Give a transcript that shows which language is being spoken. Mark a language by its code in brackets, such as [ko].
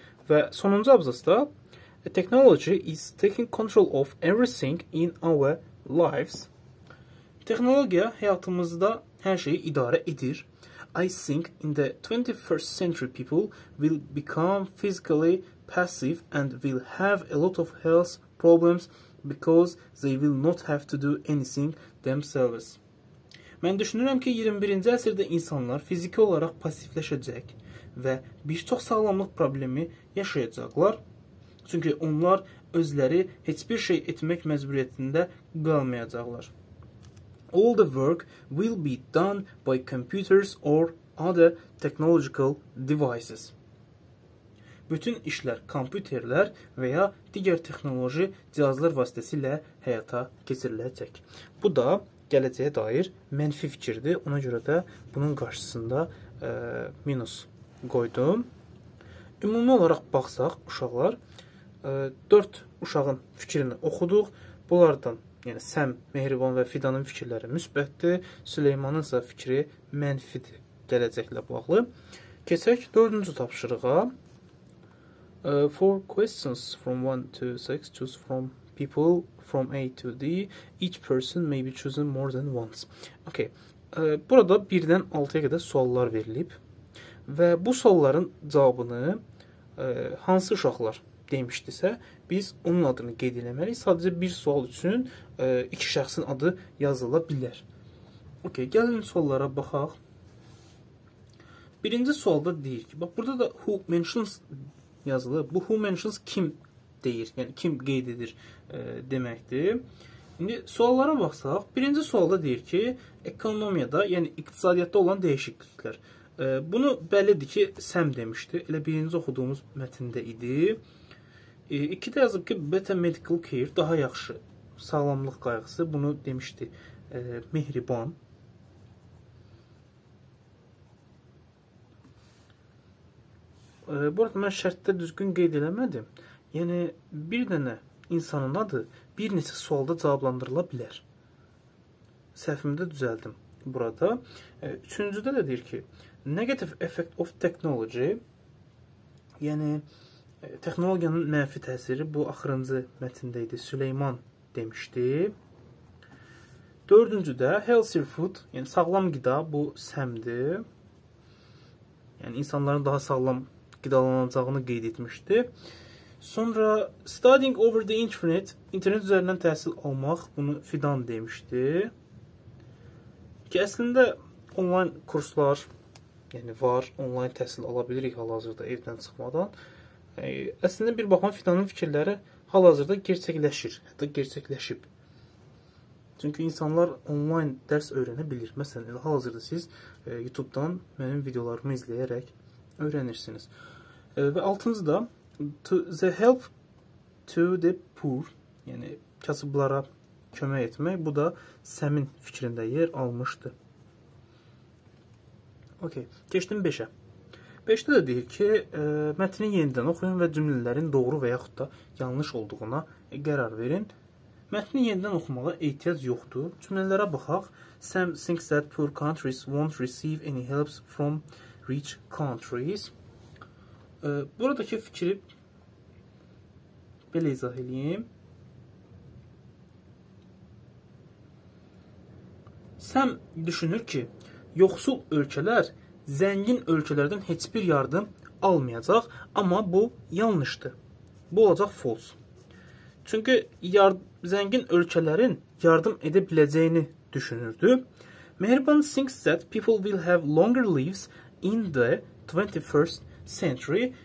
[az] Və sonuncu abzasda [en] the technology is taking control of everything in our lives. [az] Texnologiya həyatımızda hər şeyi idarə edir. [en] I think in the 21st century people will become physically passive and will have a lot of health problems because they will not have to do anything themselves. [az] Mən düşünürəm ki, 21-ci əsrdə insanlar fiziki olaraq pasifləşəcək və bir çox sağlamlıq problemi yaşayacaqlar. Çünki onlar özləri heç bir şey etmək məcburiyyətində qalmayacaqlar. [en] All the work will be done by computers or other technological devices. [az] Bütün işlər kompüterlər və ya digər texnoloji cihazlar vasitəsilə həyata keçiriləcək. Bu da gələcəyə dair mənfi fikirdir. Ona görə də bunun qarşısında minus qoydum. Ümumi olaraq baxsaq, uşaqlar, 4 uşağın fikrini oxuduq. Bunlardan, yəni Səm, Mehriban və Fidanın fikirləri müsbətdir. Süleymanın isə fikri mənfidir gələcəklə bağlı. Keçək 4-cü tapşırığa. [en] 4 questions from 1 to 6 choose from people from A to D. Each person may be chosen more than once. Okay. [az] Burada 1-dən 6-ya qədər suallar verilib və bu sualların cavabını hansı uşaqlar demişdirsə, biz onun adını qeyd eləməliyik. Sadəcə bir sual üçün iki şəxsin adı yazıla bilər. Okey, gəlin suallara baxaq. Birinci sualda deyir ki, bax burada da [en] who mentions [az] yazılı. Bu [en] who mentions [az] kim deyir, yəni kim qeyd edir deməkdir. İndi suallara baxsaq, birinci sualda deyir ki, ekonomiyada, yəni iqtisadiyyatda olan dəyişikliklər. Bunu bəllidir ki, Sam demişdi. Elə birinci oxuduğumuz mətndə idi. İki də yazıb ki, [en] better medical care, [az] daha yaxşı sağlamlıq qayğısı, bunu demişdi Mehriban. Burada mən şərtdə düzgün qeyd eləmədim. Yəni, bir dənə insanın adı bir neçə sualda cavablandırıla bilər. Səhvimdə düzəldim burada. Üçüncüdə də deyir ki, [en] negative effect of technology, [az] yəni texnologiyanın mənfi təsiri, bu axırıncı mətində idi, Süleyman demişdi. Dördüncüdə [en] healthy food, [az] yəni sağlam qida, bu Səmdir. Yəni insanların daha sağlam qidalanacağını qeyd etmişdi. Sonra [en] studying over the internet, [az] internet üzərindən təhsil almaq, bunu Fidan demişdi. Ki əslində onlayn kurslar, yəni var, onlayn təhsil ala bilirik hal-hazırda evdən çıxmadan. Əslində, bir baxma Fidanın fikirləri hal-hazırda gerçəkləşir, hətta gerçəkləşib. [tr] Çünkü insanlar online ders öğrenebilir. Mesela hazırda siz YouTube'dan benim videolarımı izleyerek öğrenirsiniz. [az] Ve altıncı da [en] the help to the poor, [az] yani kasıplara kömək etmək. Bu da Sam'in fikrində yer almışdı. Okey, keçdim 5-ə. 5-də də deyir ki, mətni yenidən oxuyun və cümlələrin doğru və yaxud da yanlış olduğuna qərar verin. Mətni yenidən oxumağa ehtiyac yoxdur. Cümlələrə baxaq. [en] Sam thinks that poor countries won't receive any help from rich countries. [az] Buradakı fikri belə izah edeyim. Sam düşünür ki, yoxsul ölkələr zəngin ölkələrdən heç bir yardım almayacaq, amma bu yanlışdır. Bu olacaq false. Çünki zəngin ölkələrin yardım edə biləcəyini düşünürdü. [en] Mehriban thinks that people will have longer lives in the 21st century.